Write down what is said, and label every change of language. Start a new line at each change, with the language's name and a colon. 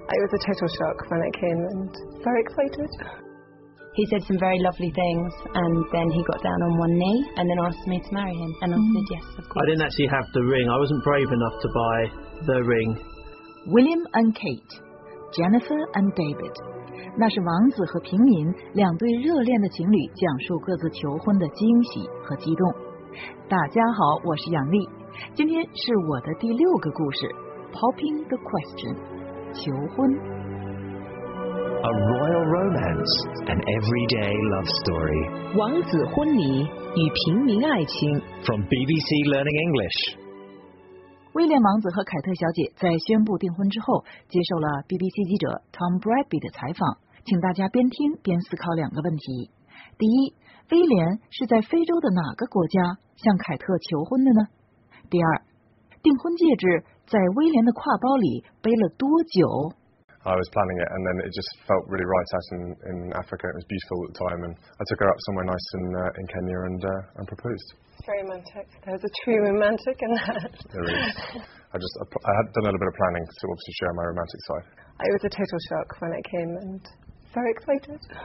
English: It was a total shock when it came and very excited. He said some very lovely things and then he got down on one knee and then asked me to marry him and I said yes, of course. I didn't actually have the ring. I wasn't brave enough to buy the ring. William and Kate, Jennifer and David.
Chinese: 那是王子和平民两对热恋的情侣讲述各自求婚的惊喜和激动。大家好，我是杨丽。今天是我的第六个故事 Popping the Question 求婚
English: A royal romance An everyday love story
Chinese: 王子婚礼与平民爱情
English: From BBC Learning English
Chinese: 威廉王子和凯特小姐在宣布订婚之后接受了 BBC 记者 Tom Bradby 的采访请大家边听边思考两个问题第一威廉是在非洲的哪个国家向凯特求婚的呢第二，订婚戒指在威廉的挎包里背了多久
English: ？I was planning it, and then it just felt really right out in Africa. It was beautiful at the time, and I took her up somewhere nice in Kenya and proposed. It's very romantic. There's a true romantic in that. There is. I had done a little bit of planning to obviously show my romantic side. It was a total shock when it came, and very excited.